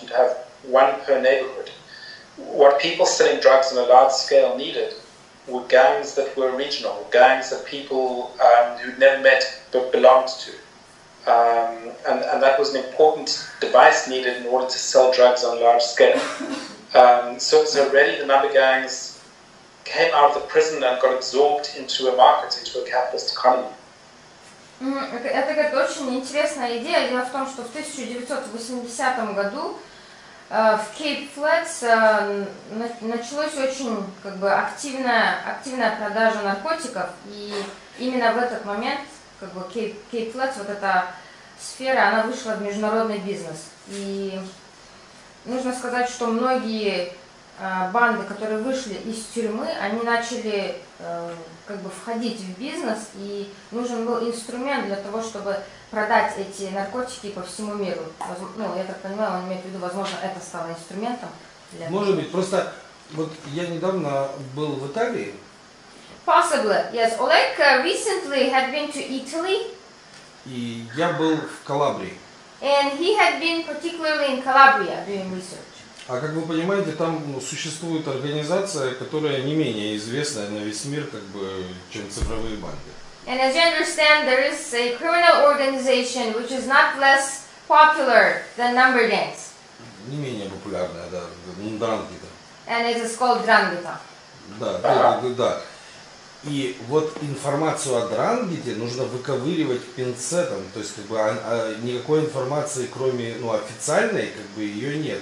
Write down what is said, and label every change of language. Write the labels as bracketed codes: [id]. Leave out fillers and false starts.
[en] You'd have one per neighborhood. What people selling drugs on a large scale needed were gangs that were regional, gangs that people who'd never met but belonged to. And that was an important device needed in order to sell drugs on a large scale. So really, the number gangs came out of the prison and got absorbed into a market, into a capitalist economy. [ru] Это какая-то очень интересная идея. Дело в том, что в 1980 году в Cape Flats началось очень как бы активная продажа наркотиков, и именно в этот момент как бы Cape Flats, вот эта сфера, она вышла в международный бизнес. И нужно сказать, что многие банды, которые вышли из тюрьмы, они начали как бы входить в бизнес, и нужен был инструмент для того, чтобы продать эти наркотики по всему миру. Ну, я так понимаю, он имеет в виду, возможно, это стало инструментом для... Может быть, просто вот я недавно был в Италии. [en] Possibly, yes. Oleg recently had been to Italy. [ru] И я был в Калабрии. [en] And he had been particularly in Calabria doing research. [ru] А как вы понимаете, там, ну, существует организация, которая не менее известная на весь мир, как бы, чем цифровые банды. [en] And as you understand, there is a criminal organization which is not less popular than number gangs. [ru] Не менее популярная, да, Дрангита. [en] And it is called Дрангита. [ru] Да, да. И вот информацию о Дрангите нужно выковыривать пинцетом, то есть как бы никакой информации, кроме, ну, официальной, как бы ее нет.